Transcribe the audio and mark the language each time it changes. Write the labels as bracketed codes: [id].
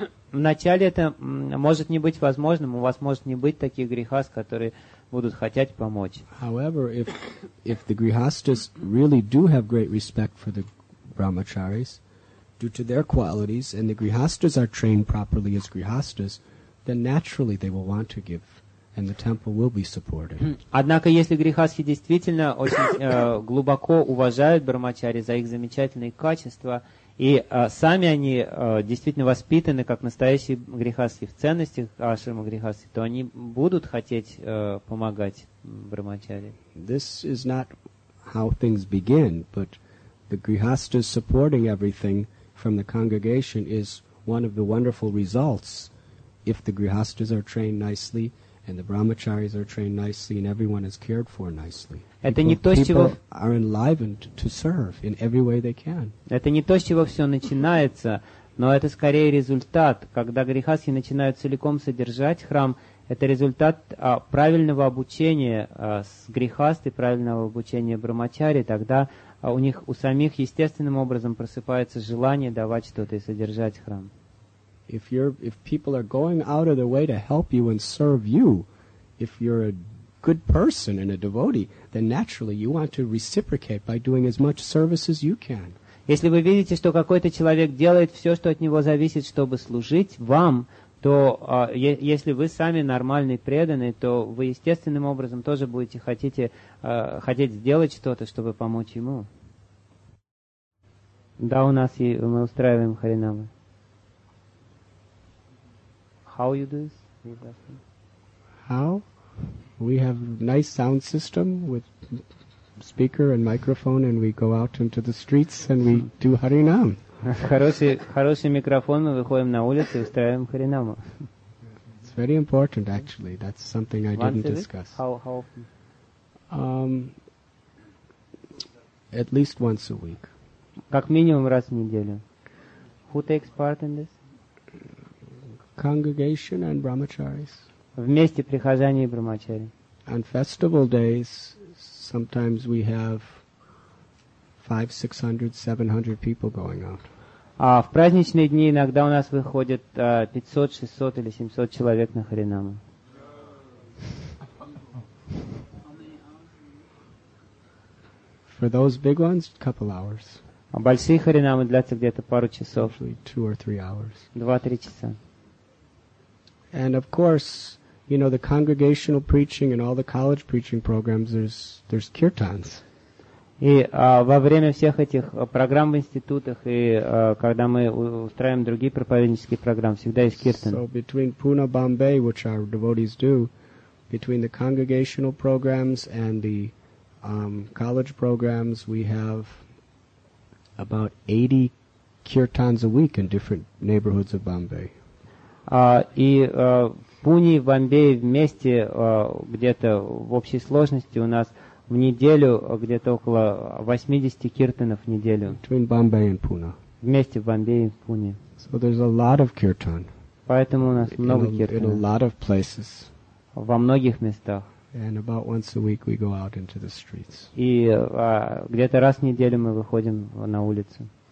[ru] Вначале это может не быть возможным, у вас может не быть таких грехас, которые будут хотеть помочь. [en] However, if the grihasthas really do have great respect for the brahmacharis, due to their qualities, and the grihasthas are trained properly as grihasthas, then naturally they will want to give. And the temple will be supported. [ru] Однако, если грихасхи действительно очень глубоко уважают брамачари за их замечательные качества, и сами они действительно воспитаны как настоящие грихасхи в ценностях ашрама грихасхи, то они будут хотеть помогать брамачари. [en] This is not how things begin, but the grihasthas supporting everything from the congregation is one of the wonderful results if the grihasthas are trained nicely. And the brahmacharis are trained nicely, and everyone is cared for nicely. People are enlivened to serve in every way they can. [ru] Это не то, с чего все начинается, но это скорее результат. Когда грихасхи начинают целиком содержать храм, это результат правильного обучения с грихасты, правильного обучения брамачари. Тогда у них у самих естественным образом просыпается желание давать что-то и содержать храм. [en] If people are going out of their way to help you and serve you, if you're a good person and a devotee, then naturally you want to reciprocate by doing as much service as you can. [ru] Если вы видите, что какой-то человек делает все, что от него зависит, чтобы служить вам, то если вы сами нормальный преданный, то вы естественным образом тоже будете хотеть сделать что-то, чтобы помочь ему. Да, у нас мы устраиваем харинамы. [en] How you do this? How? We have a nice sound system with speaker and microphone, and we go out into the streets and we do Harinam. [ru] Хороший микрофон, мы выходим на улицу и устраиваем Харинаму. [en] It's very important, actually. That's something I didn't discuss. How often? At least once a week. [ru] Как минимум раз в неделю. [en] Who takes part in this? Congregation and brahmacharis. [ru] Вместе прихожане и брамачари. [en] On festival days, sometimes we have 500, 600, 700 people going out. [ru] А в праздничные дни иногда у нас выходит 500, 600 или 700 человек на харинаму. [en] For those big ones, a couple hours. [ru] А большие харинамы длятся где-то пару часов. [en] Usually 2 or 3 hours. [ru] 2-3 часа. [en] And of course, you know, the congregational preaching and all the college preaching programs, there's kirtans. [ru] И во время всех этих программ в институтах и когда мы устраиваем другие проповеднические программы, всегда есть киртан. [en] So between Pune, Bombay, which our devotees do, between the congregational programs and the college programs, we have about 80 kirtans a week in different neighborhoods of Bombay. [ru] В Пуне, в Бомбее вместе где-то в общей сложности у нас в неделю где-то около 80 киртанов в неделю. [en] Between Bombay and Pune. [ru] Вместе в Бомбее и Пуне. [en] So there's a lot of kirtan. [ru] Поэтому у нас много [en] киртана. In a lot of places. [ru] Во многих местах. [en] And about once a week we go out into the streets. [ru] И где-то раз в неделю мы выходим на улицу.